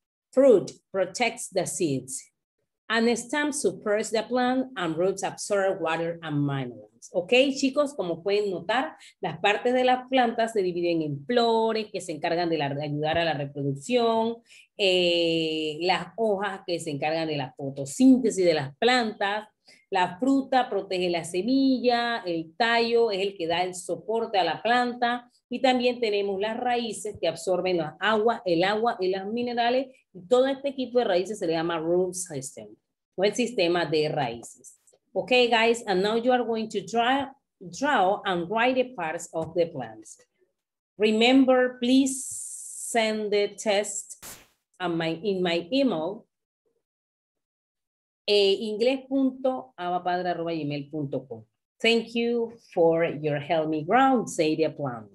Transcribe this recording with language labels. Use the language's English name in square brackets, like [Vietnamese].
[English] Fruit protects the seeds. And the stem supports the plant and roots absorb water and minerals. [Spanish] Okay, chicos, como pueden notar, las partes de las plantas se dividen en flores que se encargan de, de ayudar a la reproducción, las hojas que se encargan de la fotosíntesis de las plantas. La fruta protege la semilla, el tallo es el que da el soporte a la planta y también tenemos las raíces que absorben las aguas, el agua y los minerales y todo este equipo de raíces se le llama root system o el sistema de raíces. [English] Okay, guys, and now you are going to draw and write the parts of the plants. Remember, please send the test in my email. Inglés.abapadre@gmail.com. Thank you for your help me ground, say the plant.